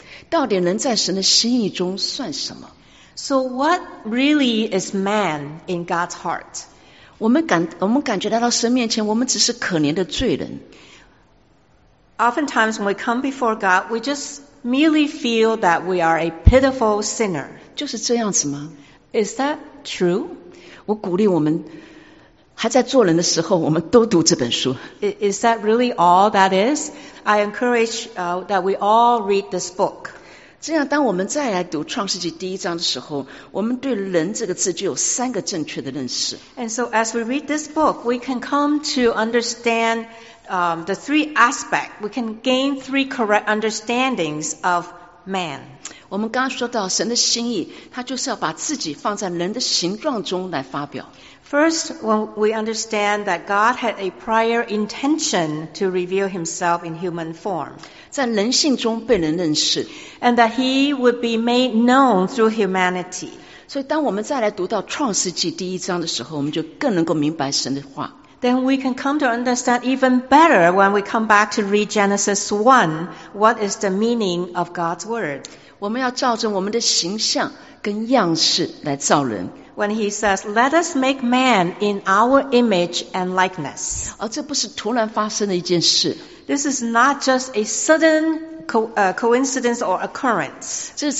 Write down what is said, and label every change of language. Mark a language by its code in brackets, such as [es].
[zh] 到底人在神的心意中算什么？ [en] So what really is man in God's heart? [zh] 我们感觉来到神面前，我们只是可怜的罪人。 [en] Oftentimes when we come before God, we just merely feel that we are a pitiful sinner. [zh] 就是这样子吗？ [en] Is that true? [zh] 我鼓励我们还在做人的时候，我们都读这本书。 [en] Is that really all that is? I encourage that we all read this book. [zh] 这样当我们再来读创世纪第一章的时候，我们对人这个字就有三个正确的认识。 [en] And so as we read this book, we can come to understandthe three aspects, we can gain three correct understandings of man. [zh] 我们刚刚说到神的心意，他就是要把自己放在人的形状中来发表。 [en] First, when we understand that God had a prior intention to reveal himself in human form. [zh] 在人性中被人认识。 [en] And that he would be made known through humanity. [zh] 所以当我们再来读到创世纪第一章的时候，我们就更能够明白神的话。 [en] Then we can come to understand even better when we come back to read Genesis 1, what is the meaning of God's word? [zh] 我们要照着我们的形象跟样式来造人。 [en] When he says, let us make man in our image and likeness. [zh] 这不是突然发生的一件事。 [en] This is not just a sudden coincidence or occurrence.